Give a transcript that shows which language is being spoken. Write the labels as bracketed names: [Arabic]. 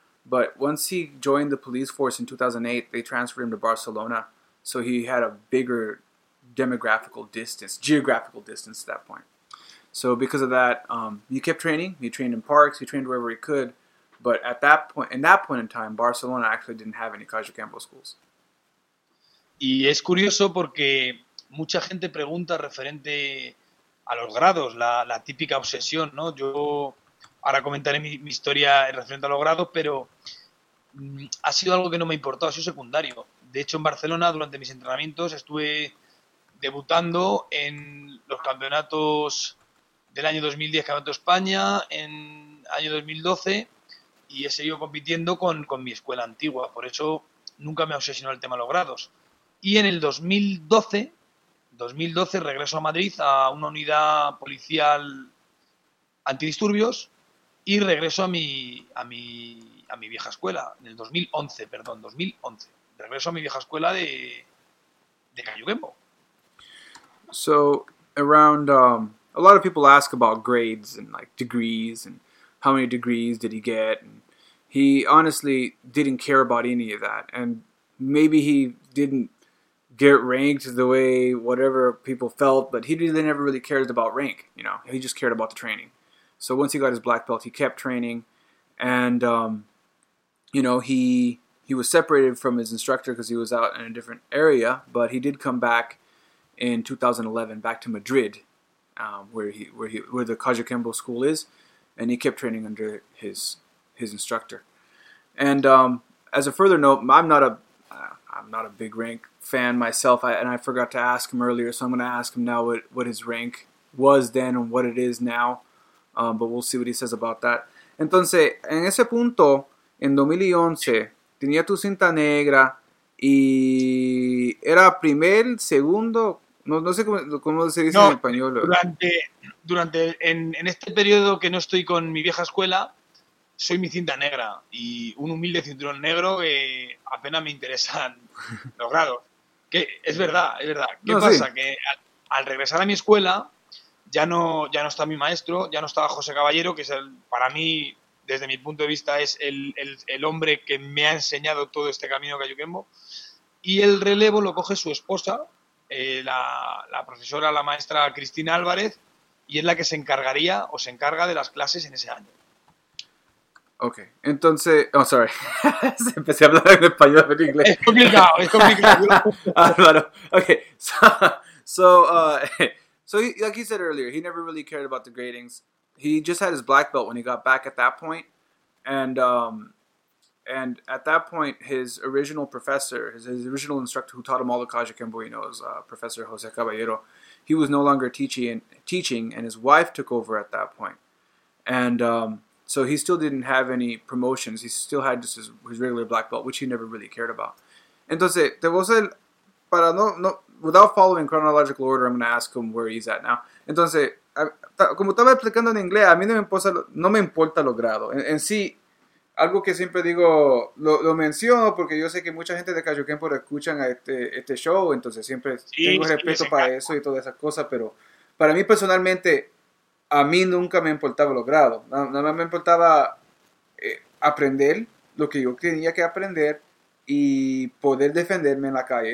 [English] But once he joined the police force in 2008, they transferred him to Barcelona. So he had a bigger demographical distance, geographical distance at that point. So because of that, he kept training. He trained in parks. He trained wherever he could. But at that point, in that point in time, Barcelona actually didn't have any Cayuquembo schools. [Spanish] Y es curioso porque mucha gente pregunta referente a los grados, la típica obsesión, ¿no? Yo ahora comentaré mi historia referente a los grados, pero ha sido algo que no me ha importado, ha sido secundario. De hecho, en Barcelona, durante mis entrenamientos, estuve debutando en los campeonatos del año 2010, Campeonato España, en año 2012, y he seguido compitiendo con mi escuela antigua. Por eso nunca me ha obsesionado el tema de los grados. Y en el 2012 regreso a Madrid a una unidad policial antidisturbios y regreso a mi vieja escuela, en el 2011, perdón, 2011. Regreso a mi vieja escuela de Cayuquembo. [English] So around a lot of people ask about grades and like degrees and how many degrees did he get, and he honestly didn't care about any of that, and maybe he didn't get ranked the way whatever people felt, but he really never really cared about rank, you know. He just cared about the training. So once he got his black belt, he kept training, and you know, he was separated from his instructor because he was out in a different area, but he did come back in 2011, back to Madrid, where the Cayuquembo school is, and he kept training under his instructor. And as a further note, I'm not a big rank fan myself. I forgot to ask him earlier, so I'm going to ask him now what his rank was then and what it is now. But we'll see what he says about that. [Spanish] Entonces, en ese punto, en 2011, tenía tu cinta negra y era primer, segundo. No, no sé cómo se dice en No, español. durante en este periodo que no estoy con mi vieja escuela, soy mi cinta negra y un humilde cinturón negro que apenas me interesan los grados. Que es verdad, es verdad. ¿Qué No, sí. pasa? Que al regresar a mi escuela ya no está mi maestro, ya no estaba José Caballero, que es para mí, desde mi punto de vista, es el hombre que me ha enseñado todo este camino cayuquembo. Y el relevo lo coge su esposa. La profesora, la maestra Cristina Álvarez, y es la que se encargaría o se encarga de las clases en ese año. Okay, entonces, [English] oh, sorry, [Spanish] empecé a hablar en español, en inglés. Es complicado, es complicado. [English] Álvaro, okay, so like he said earlier, he never really cared about the gradings. He just had his black belt when he got back at that point, and at that point, his original professor, his original instructor who taught him all the Cayuquembo he knows, Professor Jose Caballero, he was no longer teaching, and his wife took over at that point, and so he still didn't have any promotions. He still had just his regular black belt, which he never really cared about. [Spanish] Entonces, te voy a hacer, para no, [English] without following chronological order, I'm going to ask him where he's at now. [Spanish] Entonces, como estaba explicando en inglés, a mí no me importa lo grado. En sí, algo que siempre digo, lo menciono porque yo sé que mucha gente de Cayuquempo escuchan a este show, entonces siempre Sí, tengo les respeto encanta. para eso y todas esas cosas, pero para mí personalmente, a mí nunca me importaba los grados, nada más me importaba aprender lo que yo tenía que aprender y poder defenderme en la calle.